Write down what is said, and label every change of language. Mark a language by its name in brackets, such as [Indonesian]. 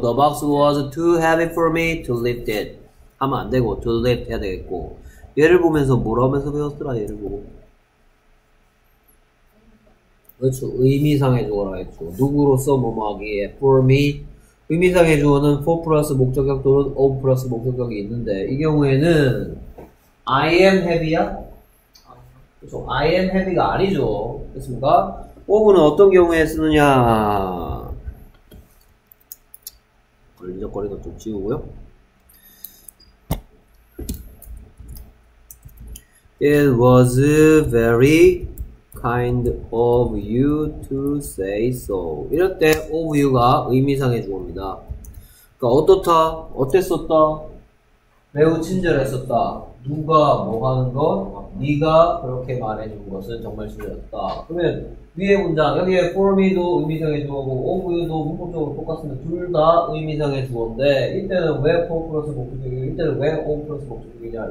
[English] The box was too heavy for me to lift it. [Korean] 하면 안 되고 [English] to lift [Korean] 해야 되겠고. 얘를 보면서 뭐라 하면서 배웠더라, 얘를 보고. 그렇죠. 의미상의 주어라 했죠. 누구로서 뭐뭐 하기에, [English] for me. [Korean] 의미상의 주어는 for 플러스 목적격 또는 of 플러스 목적격이 있는데, 이 경우에는, [English] I am heavy [Korean] 야? 그렇죠. [English] I am heavy [Korean] 가 아니죠. 됐습니까? of는 어떤 경우에 쓰느냐. 걸리적거리가 좀 지우고요. [English] 'It was very kind of you to say so.' [Korean] 이럴 때 [English] of you [Korean] 가 의미상의 주어입니다. 그러니까 어떻다, 어땠었다, 매우 친절했었다. 누가 뭐 하는 거? 네가 그렇게 말해준 것은 정말 친절했다. 그러면 위에 문장, 여기에 [English] for me [Korean] 도 의미상의 주어고 [English] of you [Korean] 도 문법적으로 똑같으면 둘 다 의미상의 주어인데, 이때는 왜 for 플러스 목적격이냐, 이때는 왜 of 플러스 목적격이냐.